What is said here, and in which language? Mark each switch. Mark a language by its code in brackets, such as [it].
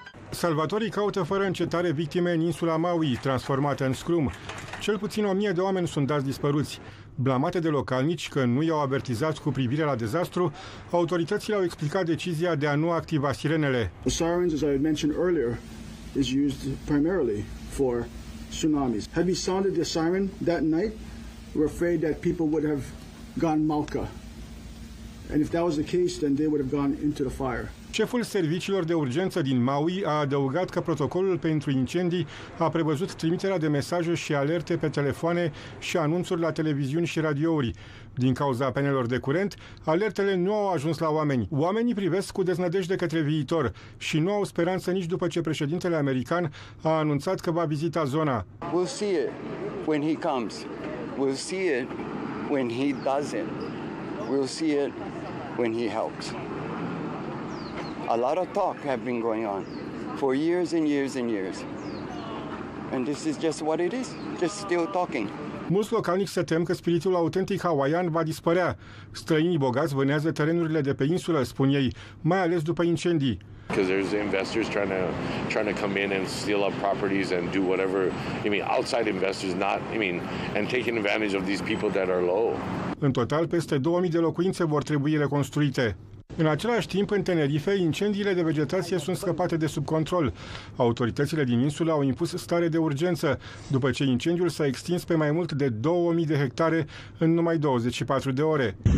[ro] Salvatorii caută fără încetare victime în insula Maui, transformată în scrum. Cel puțin 1000 de oameni sunt dați dispăruți. Blamate de localnici că nu i-au avertizat cu privire la dezastru, autoritățile au explicat decizia de a nu activa sirenele. [en] The sirens, as I had mentioned earlier, is used primarily for tsunamis. Had we sounded the siren that night, we're afraid that people would have gone malka. And if that was the case, then they would have gone into the fire. [ro] Șeful serviciilor de urgență din Maui a adăugat că protocolul pentru incendii a prevăzut trimiterea de mesaje și alerte pe telefoane și anunțuri la televiziuni și radiouri. Din cauza apelor de curent, alertele nu au ajuns la oameni. Oamenii privesc cu deznădejde către viitor și nu au speranță nici după ce președintele american a anunțat că va vizita zona. [en] We'll see it when he comes. We'll see it when he doesn't. We'll see it when he helps. A lot of talk have been going on for years and years and years. And this is just what it is, just still talking. [ro] Mulți localnici se tem că spiritul autentic hawaian va dispărea. Străinii bogați vânează terenurile de pe insulă, spun ei, mai ales după incendii. [en] Because there's investors trying to come in and steal up properties and do whatever, I mean, outside investors, not, I mean, and taking advantage of these people that are low. [ro] În total, peste 2000 de locuințe vor trebui reconstruite. În același timp, în Tenerife, incendiile de vegetație sunt scăpate de sub control. Autoritățile din insulă au impus stare de urgență, după ce incendiul s-a extins pe mai mult de 2000 de hectare în numai 24 de ore.